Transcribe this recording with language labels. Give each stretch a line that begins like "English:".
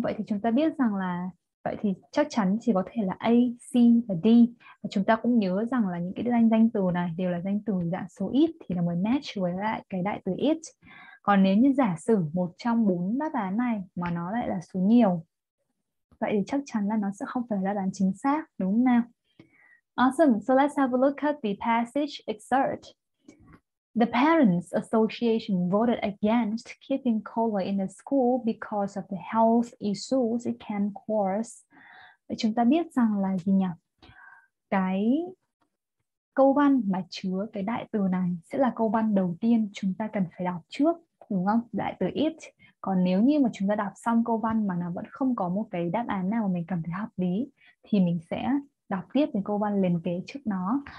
Vietnamese: Vậy thì chúng ta biết rằng là vậy thì chắc chắn chỉ có thể là A, C và D. Và chúng ta cũng nhớ rằng là những cái danh từ này đều là danh từ dạng số ít thì là mới match với lại cái đại từ it. Còn nếu như giả sử một trong bốn đáp án này mà nó lại là số nhiều, vậy thì chắc chắn là nó sẽ không phải là đáp án chính xác, đúng không nào?
English: Awesome, so let's have a look at the passage excerpt. The Parents Association voted against keeping cola in the school because of the health issues it can cause.
Vietnamese: Chúng ta biết rằng là gì nhỉ? Cái câu văn mà chứa cái đại từ này sẽ là câu văn đầu tiên chúng ta cần phải đọc trước, đúng không? Đại từ it. Còn nếu như mà chúng ta đọc xong câu văn mà nó vẫn không có một cái đáp án nào mà mình cảm thấy hợp lý thì mình sẽ đọc tiếp cái câu văn liền kế trước nó.